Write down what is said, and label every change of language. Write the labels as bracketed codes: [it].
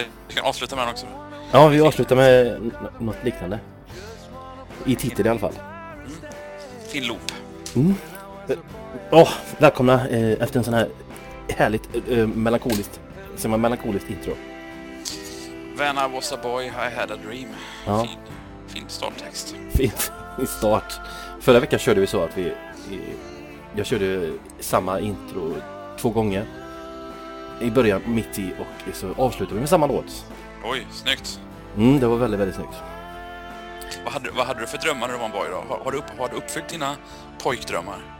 [sv] Vi kan avsluta med den också. Ja, vi avslutar med något liknande. I titel i alla fall. Till loop. Välkomna efter en sån här härligt melankoliskt, som var melankoliskt intro. [en] When I was a boy, I had a dream. [sv] Ja. Fin starttext. Fint. I start. Förra veckan körde vi så att jag körde samma intro två gånger. I början, mitt i och så avslutade vi med samma låt. Oj, snyggt. Det var väldigt, väldigt snyggt. Vad hade du för drömmar när du var en boy då? Har du uppfyllt dina pojkdrömmar?